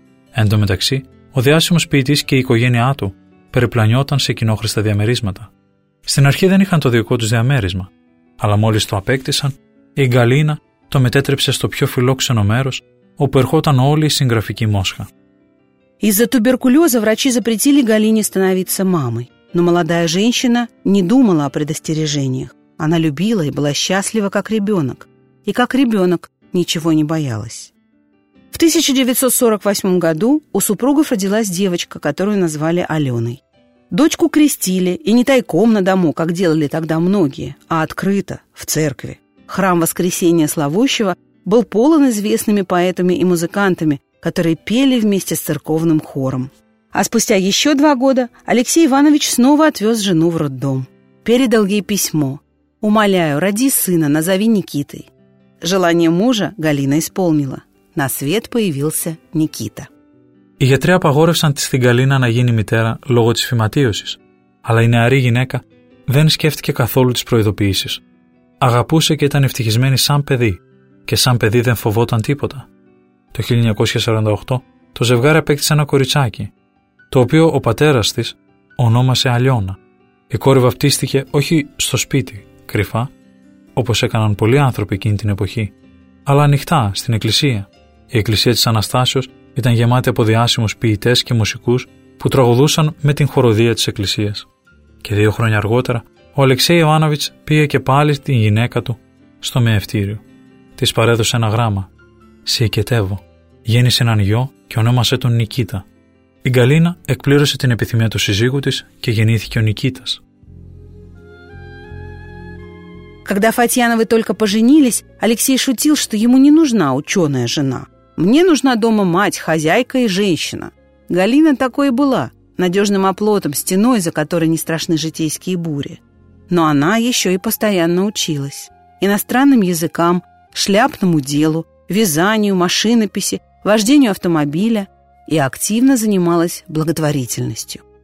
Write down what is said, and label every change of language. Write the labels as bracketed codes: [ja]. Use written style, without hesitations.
[el] Εν τω μεταξύ, ο διάσημος ποιητής και η οικογένειά του περιπλανιόταν σε κοινόχρηστα διαμερίσματα. Στην αρχή δεν είχαν το δικό τους διαμέρισμα, αλλά μόλις το απέκτησαν, η Γκαλίνα το μετέτρεψε στο πιο φιλόξενο μέρος, όπου ερχόταν όλη η συγγραφική Μόσχα. [ru] Из-за туберкулеза врачи запретили Галине становиться мамой, но молодая женщина не думала о предостережениях. Она любила и была счастлива как ребенок, и как ребенок ничего не боялась. В 1948 году у супругов родилась девочка, которую назвали Аленой. Дочку крестили, и не тайком на дому, как делали тогда многие, а открыто, в церкви. Храм Воскресения Славущего был полон известными поэтами и музыкантами, которые пели вместе с церковным хором. А спустя еще два года Алексей Иванович снова отвез жену в роддом. Передал ей письмо: «Умоляю, роди сына, назови Никитой». Желание мужа Галина исполнила. На свет появился Никита. [el] Οι γιατροί απαγόρευσαν στην Γκαλίνα να γίνει μητέρα λόγω της φυματίωσης, αλλά η νεαρή γυναίκα δεν σκέφτηκε καθόλου τις προειδοποιήσεις. αγαπούσε και ήταν ευτυχισμένη σαν παιδί, και σαν παιδί δεν φοβόταν τίποτα. Το 1948 το ζευγάρι απέκτησε ένα κοριτσάκι, το οποίο ο πατέρας της ονόμασε Αλιώνα. Η κόρη βαπτίστηκε όχι στο σπίτι, κρυφά, όπως έκαναν πολλοί άνθρωποι εκείνη την εποχή, αλλά ανοιχτά στην εκκλησία. Η εκκλησία της Αναστάσεως ήταν γεμάτη από διάσημους ποιητές και μουσικούς που τραγουδούσαν με την χοροδία της εκκλησίας. Και 2 χρόνια αργότερα, ο Αλεξέη Ιωάννοβιτς πήγε και πάλι την γυναίκα του στο μαιευτήριο. Της παρέδωσε ένα γράμμα. «Σε οικετεύω». Γέννησε έναν γιο και ονόμασε τον Νικήτα. Η Γκαλίνα εκπλήρωσε την επιθυμία του σύζυγου της και γεννήθηκε ο Νικήτας. [ru] Когда Фатьяновы только поженились, Алексей шутил, что ему не нужна ученая жена. Мне нужна дома мать, хозяйка и женщина. Галина такой и была, надежным оплотом, стеной, за которой не страшны житейские бури. Но она еще и постоянно училась. Иностранным языкам, шляпному делу, вязанию, машинописи, вождению автомобиля и активно занималась благотворительностью.